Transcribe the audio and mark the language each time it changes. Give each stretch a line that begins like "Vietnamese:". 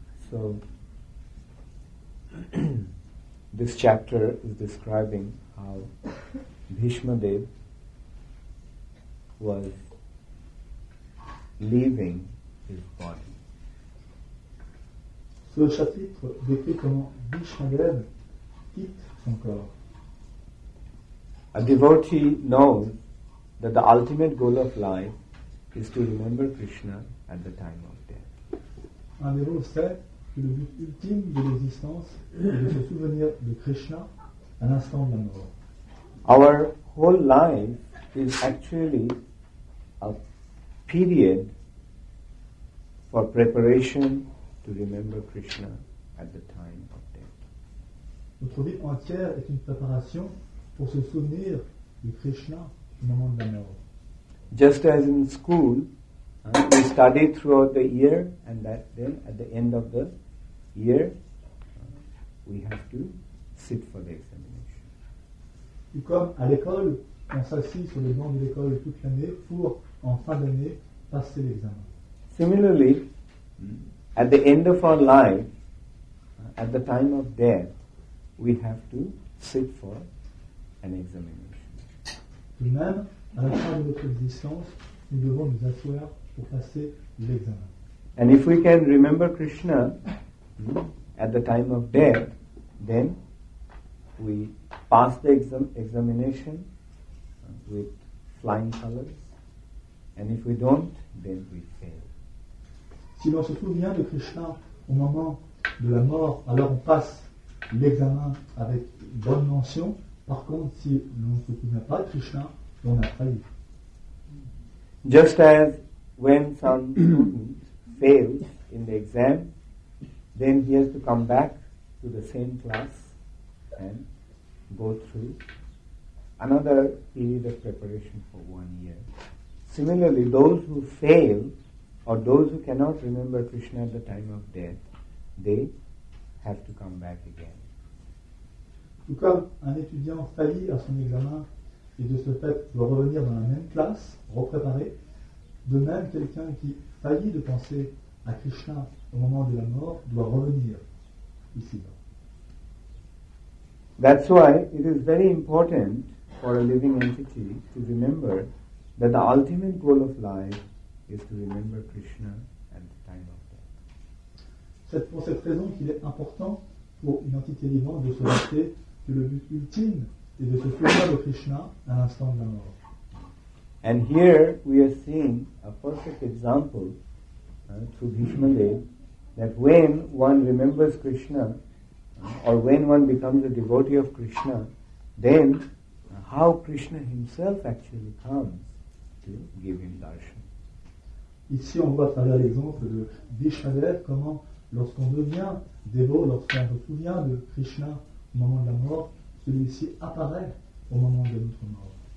English: So this chapter is describing how Bhishma Dev was leaving his body.
French: Ce chapitre décrit comment Bhishmadev quitte son corps.
English: A devotee knows that the ultimate goal of life is to remember Krishna at the time of death.
French: Un dévot sait que le but ultime de l'existence est de se souvenir de Krishna à l'instant de la mort.
English: Our whole life is actually a period for preparation to remember Krishna at the time of death.
French: Notre vie entière est une préparation pour se souvenir de Krishna au moment de la mort.
English: Just as in school, we study throughout the year, and that then at the end of the year, we have to sit for the examination.
French: Et comme à l'école, on s'assit sur les bancs de l'école toute l'année pour, en fin d'année, passer l'examen.
English: Similarly, at the end of our life, at the time of death, we have to sit for an examination.
French: De même, à la fin de notre existence, nous devons nous asseoir pour passer l'examen.
English: And if we can remember Krishna at the time of death, then we pass the examination with flying colors. And if we don't, then we fail.
French: Si l'on se souvient de Krishna au moment de la mort, alors on passe l'examen avec bonne mention. Par contre, si l'on ne connaît pas Krishna, on a failli.
English: Just as when some student fails in the exam, then he has to come back to the same class and go through another period of preparation for 1 year. Similarly, those who fail or those who cannot remember Krishna at the time of death, they have to come back again.
French: En tout cas, un étudiant faillit à son examen et de ce fait doit revenir dans la même classe, repréparer. De même, quelqu'un qui faillit de penser à Krishna au moment de la mort doit revenir ici-bas.
English: That's why it is very important for a living entity to remember that the ultimate goal of life is to remember Krishna at the time of death.
French: C'est pour cette raison qu'il est important pour une entité vivante de se rappeler que le but ultime est de se souvenir de Krishna à l'instant de la mort.
English: And here we are seeing a perfect example through Bhishma Dev that when one remembers Krishna or when one becomes a devotee of Krishna, then how Krishna himself actually comes to give him darshan.
French: Ici on voit à travers l'exemple de Bhishma Dev comment lorsqu'on devient dévot, lorsqu'on se souvient de Krishna au moment de la mort, celui-ci apparaît au moment de notre mort.